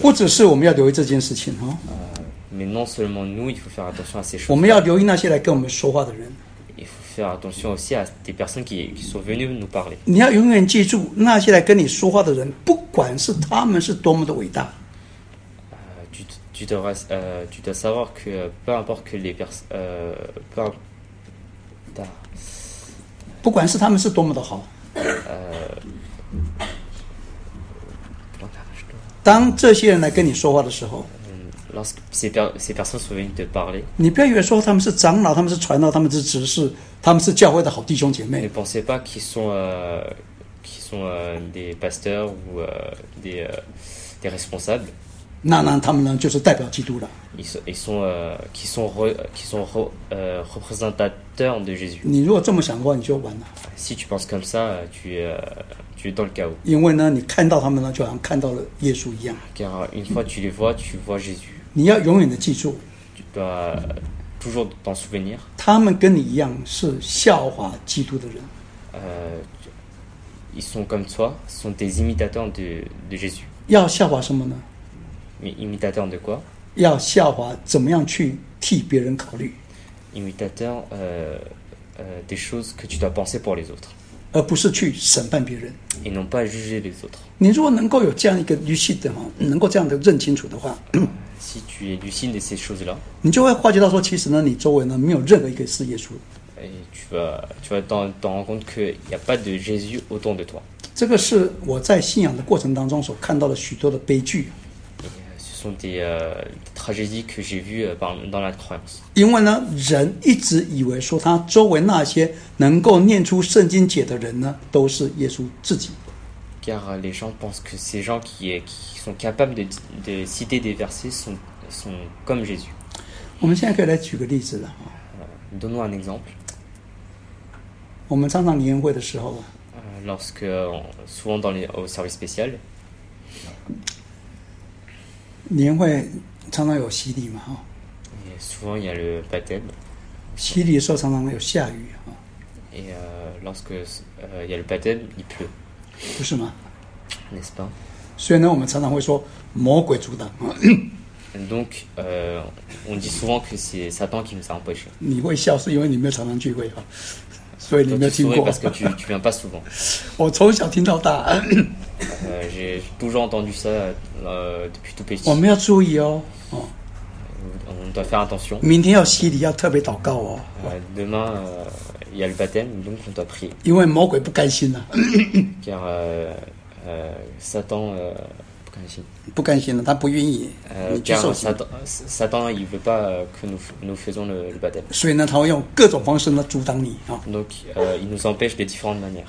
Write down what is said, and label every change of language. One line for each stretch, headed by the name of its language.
Chinese: 不只是我们要留意这件事情哈。
French: Mais non seulement nous, il faut faire attention à ces choses.
Chinese: 我们要留意那些来跟我们说话的人。
French: Il faut faire attention aussi à des personnes qui sont venues nous parler.
Chinese: 你要永远记住那些来跟你说话的人，不管是他们是多么的伟大。
French: Tu dois savoir que peu importe que les personnes,
Chinese: 不管是他们是多么的好。当这些人来跟你说话的时候，
French: lorsque ces personnes sont venues te parler,
Chinese: 你不要以为说他们是长老，他们是传道，他们是执事，他们是教会的好弟兄姐妹。
French: Ne pensez pas qu'ils sont des pasteurs ou des responsables.
Chinese: 那他们呢，就是代表基督了。
French: Ils sont représentateurs de Jésus.
Chinese: 你如果这么想的话，你就完了。
French: Si tu penses comme ça, tu es dans le chaos.
Chinese: 因为呢，你看到他们呢，就好像看到了耶稣一样。
French: Car une fois tu les vois, tu vois Jésus.
Chinese: 你要永远的记住。
French: Tu dois toujours t'en souvenir.
Chinese: 他们跟你一样是效法基督的人。
French: Ils sont comme toi, sont des imitateurs de Jésus.
Chinese: 要效法什么呢？
French: Mais imitateur de quoi?
Chinese: 要效法怎么样去替别人考虑
French: imitateur des choses que tu dois penser pour les autres,
Chinese: 而不是去审判别人
French: et non pas juger les autres.
Chinese: 你如果能够有这样一个 lucide 的，能够这样的认清楚的话
French: si tu es lucide de ces choses là,
Chinese: 你就会发觉到说其实呢，你周围呢没有任何一个是耶稣
French: et tu vas t'en rendre compte qu'il n'y a pas de Jésus autour de toi.
Chinese: 这个是我在信仰的过程当中所看到的许多的悲剧
French: sont des tragédies que j'ai vues dans la croyance.
Chinese: 因为呢，人一直以为说他周围那些能够念出圣经解的人呢，都是耶稣自己。
French: Car les gens pensent que ces gens qui sont capables de citer des versets sont comme Jésus.
Chinese: 我们现在可以来举个例子了。
French: Donnons un exemple.
Chinese: 我们常常联会的时候。
French: lorsque souvent dans les au service spécial.
Chinese: 年会常常有洗礼嘛,
French: et souvent il y a le baptême.
Chinese: 洗礼的时候常常有下雨,
French: et lorsque il y a le baptême, il pleut.
Chinese: 不是吗?
French: N'est-ce pas?
Chinese: 虽然我们常常会说魔鬼阻挡,
French: donc on dit souvent que c'est Satan qui nous a empêchés.
Chinese: 你会笑是因为你没有常常聚会, 所以你没有听过.
French: Toi, tu souris parce que tu viens pas souvent.
Chinese: 我从小听到大,
French: j'ai toujours entendu ça depuis tout petit.
Chinese: 我们要注意哦,
French: on doit faire attention.
Chinese: 明天要洗礼, 要特别祷告哦,
French: demain il y a le baptême, donc on doit prier.
Chinese: 因为魔鬼不甘心,
French: car Satan ne veut pas. Il ne veut pas. Satan ne veut pas que nous faisons le baptême.
Chinese: 所以呢,他会用各种方式呢,阻挡你,
French: donc il nous empêche de différentes manières.